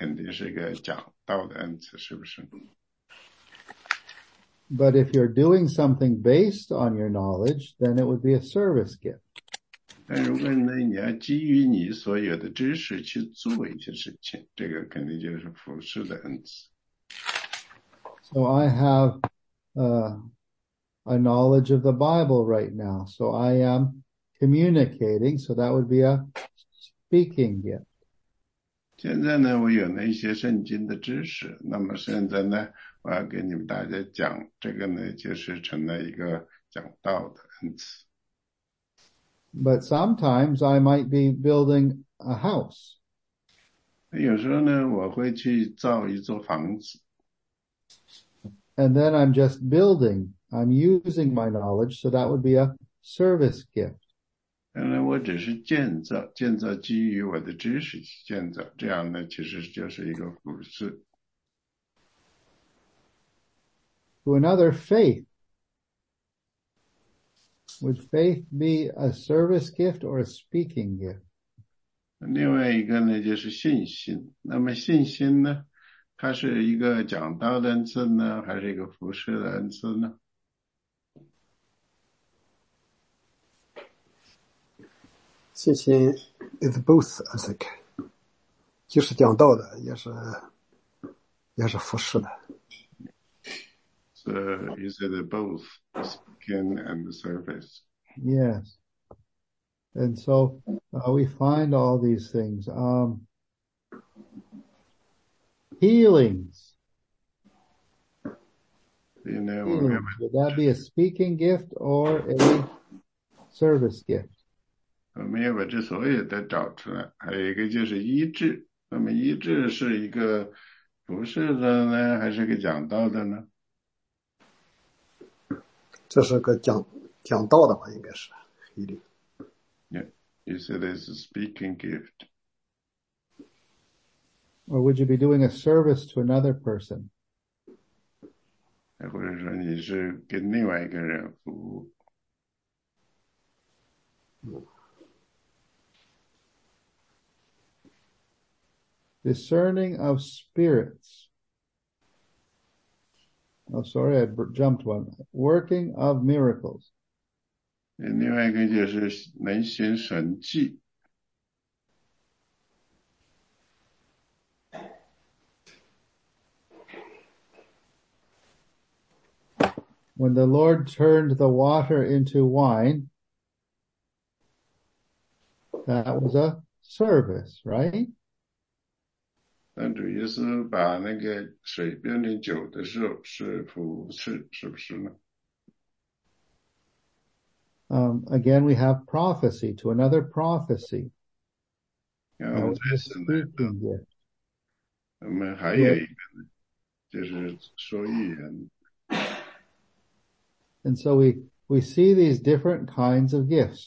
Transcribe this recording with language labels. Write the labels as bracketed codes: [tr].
[zh] 所以呢，这个就是说呢，你要如果说是去分享你的那个知识，或者说是表达你的知识，这个肯定是一个讲道的恩赐，是不是？ [en] But if you're doing something based on your knowledge, then it would be a service gift. [zh] 但如果呢，你要基于你所有的知识去做一些事情，这个肯定就是服侍的恩赐。So [en] I have a knowledge of the Bible right now, so I am communicating, so that would be a speaking gift. [zh] 现在呢，我有那些圣经的知识。那么现在呢，我要跟你们大家讲，这个呢，就是成了一个讲道的恩赐。 [en] But sometimes I might be building a house. [zh] 有时候呢，我会去造一座房子。 [en] And then I'm just building. I'm using my knowledge, so that would be a service gift. [zh] 原来我只是建造，建造基于我的知识去建造，这样呢，其实就是一个服侍。 [en] To another, faith. Would faith be a service gift or a speaking gift? [zh] 另外一个呢，就是信心。那么信心呢，它是一个讲道的恩赐呢，还是一个服侍的恩赐呢？ [en] 信心 is both, I think. [zh] 既是讲道的，也是服侍的。 [en] So you said that both skin and the surface. Yes. And so we find all these things. Healings. You know, healings. Would that be a speaking gift or a service gift? [zh] 我们要把这所有的找出来。还有一个就是医治。那么医治是一个服侍的呢，还是一个讲道的呢？这是个讲道的吧，应该是 healing。 [en] Yeah, you said it's a speaking gift. Or would you be doing a service to another person? [zh] 或者说你是跟另外一个人服务。 [en] Discerning of spirits. Oh, sorry, I jumped one. Working of miracles. [zh] 另外一个就是能行神迹。 [en] When the Lord turned the water into wine, that was a service, right? [zh] 当主耶稣把那个水变成酒的时候，是服侍，是不是呢？ [en] Again, we have prophecy to another prophecy. Yeah, that was a speaking gift. [zh] 我们还有一个呢，就是说预言。 [en] And so we see these different kinds of gifts.